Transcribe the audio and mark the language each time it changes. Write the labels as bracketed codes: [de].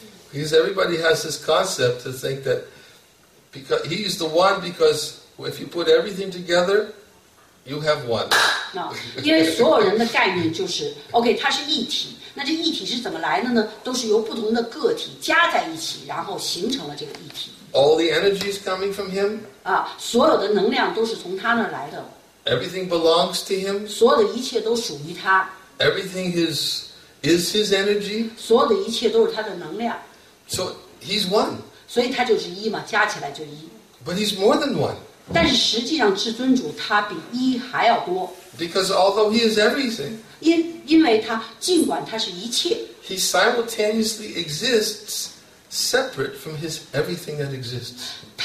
[en] Because everybody has this concept to think that because he is the one because if you put everything together, you have one. [zh] No, 因为所有人的概念就是 okay, 它是一体。那这一体是怎么来的呢?都是由不同的个体加在一起，然后形成了这个一体。 [en] All the energy is coming from him. [zh] 所有的能量都是从他那来的。 [en] Everything belongs to him. [zh] 所有的一切都属于他。 [en] Everything is his energy. [zh] 所有的一切都是他的能量。 [en] So he's one. [zh] 所以他就是一嘛，加起来就一。 [en] But he's more than one. [zh] 但是实际上，至尊主他比一还要多。 [en] Because although he is everything, [zh] 因为他尽管他是一切， [en] he simultaneously exists separate from his everything that exists.